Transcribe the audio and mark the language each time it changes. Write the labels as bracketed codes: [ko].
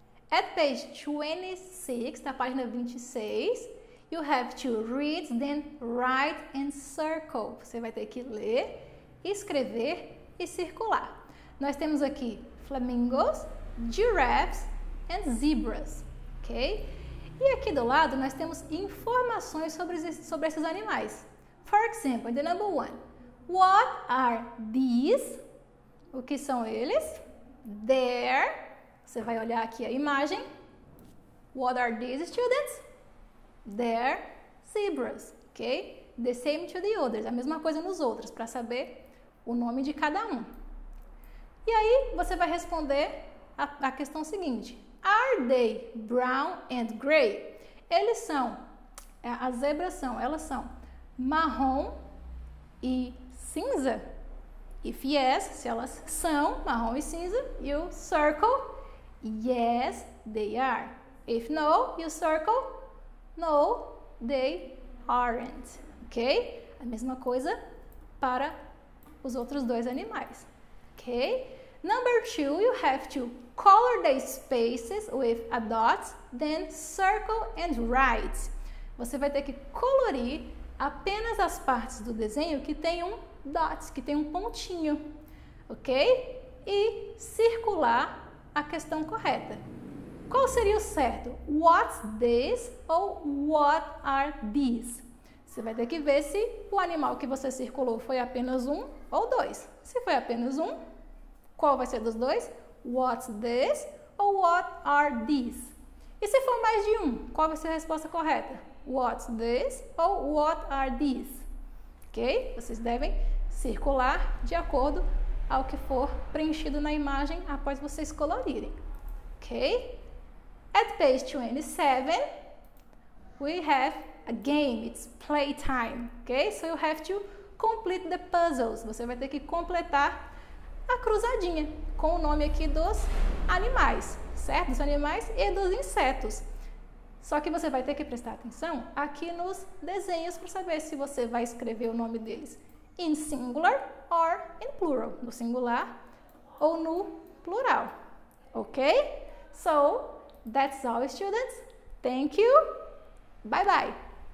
[en] At page 26, [pt] na página 26, [en] you have to read, then write and circle. [pt] Você vai ter que ler, escrever e circular. Nós temos aqui flamingos, [en] giraffes and zebras, [pt] ok? E aqui do lado nós temos informações sobre esses animais. [en] For example, in the number one, what are these? [pt] O que são eles? There. Você vai olhar aqui a imagem. [en] What are these students? They're zebras, ok? The same to the others. [pt] A mesma coisa nos outros, para saber o nome de cada um. E aí, você vai responder a questão seguinte. [en] Are they brown and gray? [pt] Eles são, as zebras são, elas são marrom e cinza. [en] If yes, [pt] se elas são marrom e cinza, [en] you circle. Yes, they are. If no, you circle. No, they aren't. Ok? [pt] A mesma coisa para os outros dois animais. Ok? [en] Number two, you have to color the spaces with a dot, then circle and write. [pt] Você vai ter que colorir apenas as partes do desenho que tem um dot, que tem um pontinho. Ok? E circular a questão correta. Qual seria o certo? [en] What's this [pt] ou [en] what are these? [pt] Você vai ter que ver se o animal que você circulou foi apenas um ou dois. Se foi apenas um, qual vai ser dos dois? [en] What's this [pt] ou [en] what are these? [pt] E se for mais de um, qual vai ser a resposta correta? [en] What's this [pt] ou [en] what are these? [pt] Ok? Vocês devem circular de acordo ao que for preenchido na imagem após vocês colorirem, ok? [en] At page 27, we have a game, it's playtime, ok? So you have to complete the puzzles, [pt] você vai ter que completar a cruzadinha com o nome aqui dos animais, certo? Dos animais e dos insetos. Só que você vai ter que prestar atenção aqui nos desenhos para saber se você vai escrever o nome deles [en] in singular or in plural, [pt] no singular ou no plural, ok? [en] So, that's all, students. Thank you. Bye-bye.